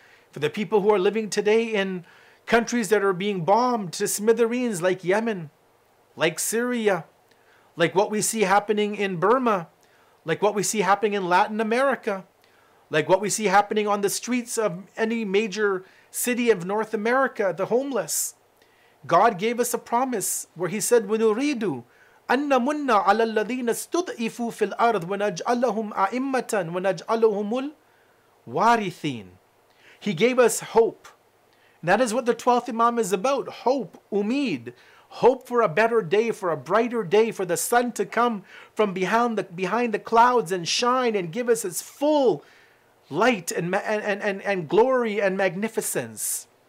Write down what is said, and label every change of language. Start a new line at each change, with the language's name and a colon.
English: for the people who are living today in countries that are being bombed to smithereens like Yemen, like Syria, like what we see happening in Burma, like what we see happening in Latin America, like what we see happening on the streets of any major city of North America, the homeless. God gave us a promise where He said,
Arabic: وَنُرِيدُ أَنَّ مُنَّ عَلَى الَّذِينَ اسْتُضْعِفُوا فِي الْأَرْضِ وَنَجْعَلَهُمْ أَئِمَّةً وَنَجْعَلَهُمُ الْوَارِثِينَ.
English: He gave us hope. That is what the 12th Imam is about. Hope, umid. Hope for a better day, for a brighter day, for the sun to come from behind the clouds and shine and give us its full light and glory and magnificence.